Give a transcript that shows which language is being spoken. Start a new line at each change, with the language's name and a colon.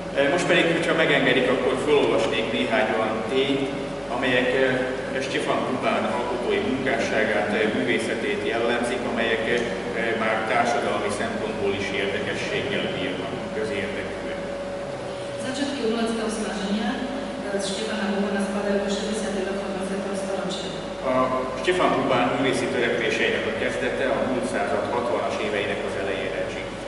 Hungarian: most pedig, hogyha megengedik, akkor felolvasnék néhány olyan tényt, amelyek Stefan Kupán alkotói munkásságát, művészetét jellemzik, amelyek már társadalmi szempontból is érdekességgel bírnak közérdekűen.
Slovak: Začatky umeleckého snaženia, Stefana Kupana spadajú do 60. storočia.
Hungarian: A Stefan Kupán művészi törekvéseinek a kezdete a múlt század 60-as éveinek az elejére esik.